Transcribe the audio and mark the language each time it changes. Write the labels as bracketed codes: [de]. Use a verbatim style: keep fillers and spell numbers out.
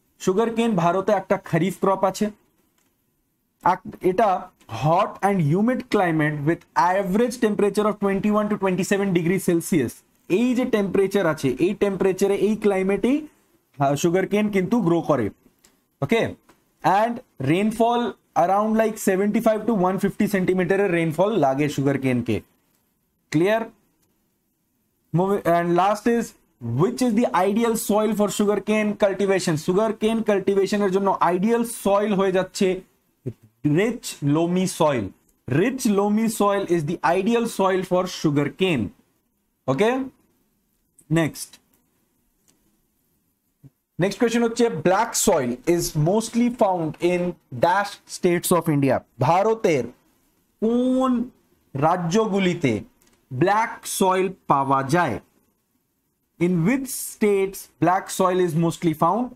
[bn] Sugar কেন ভারতে একটা খরিফ ক্রপ আছে। এটা [en] Hot and humid climate with average temperature of twenty one to twenty seven degree Celsius. [bn] এই যে টেম্পারেচার আছে, এই টেম্পারেচারে, এই ক্লাইমেটেই সুগার কেন কিন্তু গ্রো করে। ওকে, and rainfall around like seventy five two one fifty সেন্টিমিটারের rainfall লাগে সুগার কেনকে। Clear? [en] And last is, which is the ideal soil for sugarcane cultivation? [bn] Sugarcane cultivation এর জন্য ideal soil হয়ে যাচ্ছে [en] rich loamy soil. Rich loamy soil is the ideal soil for sugarcane. Okay? Next. Next question হচ্ছে, black soil is mostly found in dash states of India. [bn] ভারতের কোন রাজ্যগুলিতে black soil পাওয়া যায়? [en] In which states black soil is mostly found?